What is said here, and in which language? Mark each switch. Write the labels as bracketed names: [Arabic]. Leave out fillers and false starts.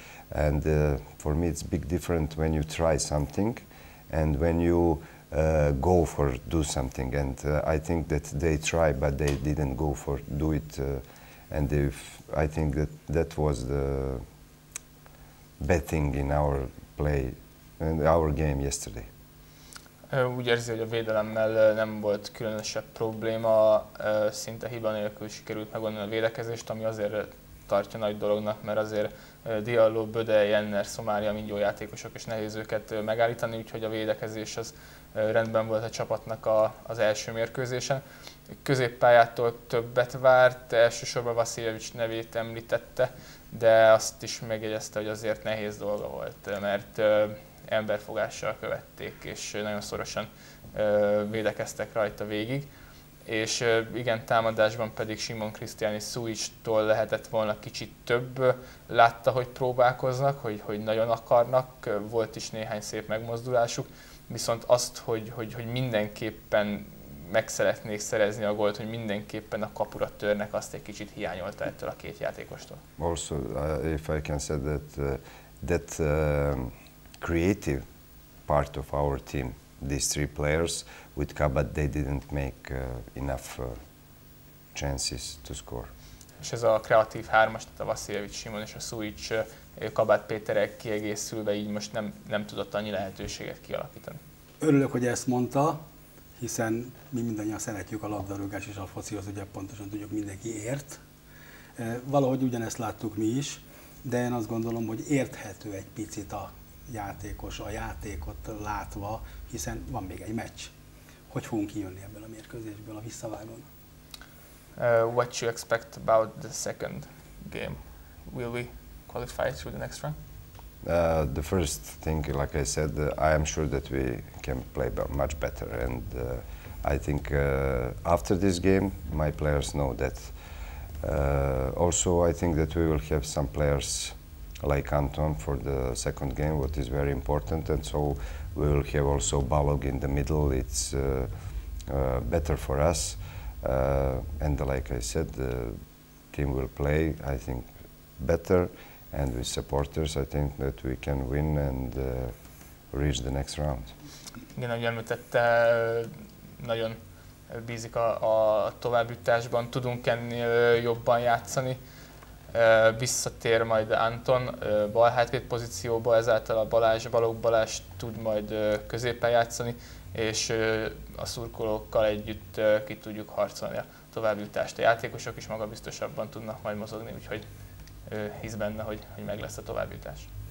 [English] And for me, it's big different when you try something and when you go for do something. And I think that they try, but they didn't go for do it. And if I think that that was the bad thing in our play, in our game yesterday. [Hungarian] Úgy érzi, hogy a védelemmel nem volt különösebb probléma, szinte hiba nélkül sikerült megoldani a védekezést, ami azért tartja nagy dolognak, mert azért Diallo, Böde, Jenner, Somália mind jó játékosok, és nehéz őket megállítani, úgyhogy a védekezés az rendben volt a csapatnak az első mérkőzésen. Középpályától többet várt, elsősorban Vasiljevic nevét említette, de azt is megjegyezte, hogy azért nehéz dolga volt, mert emberfogással követték, és nagyon szorosan védekeztek rajta végig. És igen, támadásban pedig Simon Krisztián és Szuics-tól lehetett volna kicsit több, látta, hogy próbálkoznak, hogy nagyon akarnak, volt is néhány szép megmozdulásuk, viszont azt, hogy mindenképpen meg szeretnék szerezni a gólt, hogy mindenképpen a kapura törnek, azt egy kicsit hiányolta ettől a két játékostól. [English] Also, if I can say that creative part of our team, these three players with Kabat, they didn't make enough chances to score. [Hungarian] És ez a kreatív hármas, tehát a Vasiljevic, Simon és a Szuics, Kabat Péterek kiegészülve így most nem tudott annyi lehetőséget kialakítani. Örülök, hogy ezt mondta, hiszen mi mindannyian szeretjük a labdarúgást és a focihoz, ugye pontosan tudjuk, mindenki ért. Valahogy ugyanezt láttuk mi is, de én azt gondolom, hogy érthető egy picit a játékos, a játékot látva, hiszen van még egy meccs. Hogy fogunk kijönni ebből a mérkőzésből a visszavágon? [English] What you expect about the second game? Will we qualify through the next round? The first thing, like I said, I am sure that we can play much better, and I think after this game, my players know that. Also, I think that we will have some players like Anton for the second game, what is very important, and so we will have also Balog in the middle. It's better for us, and like I said, the team will play, I think, better. And with supporters, I think that we can win and reach the next round. [Hungarian] Igen, ahogy említette, nagyon bízik a továbbjutásban, tudunk ennél jobban játszani. Visszatér majd Anton bal hátvéd pozícióba, ezáltal a Balázs tud majd középen játszani, és a szurkolókkal együtt ki tudjuk harcolni a továbbjutást. A játékosok is magabiztosabban tudnak majd mozogni, úgyhogy hisz benne, hogy meg lesz a továbbjutás.